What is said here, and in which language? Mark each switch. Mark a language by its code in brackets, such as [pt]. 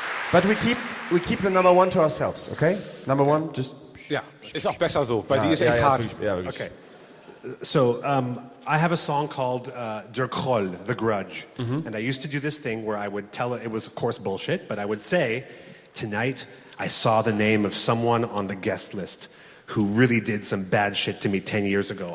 [en] But we keep the number one to ourselves, okay? Number one, just... [de] Ja, ist auch besser so, weil die ist echt hart. Ja, wirklich. [en] Okay. So, I have a song called Der Groll, The Grudge. Mm-hmm. And I used to do this thing where I would tell... It was, of course, bullshit, but I would say, tonight I saw the name of someone on the guest list who really did some bad shit to me 10 years ago.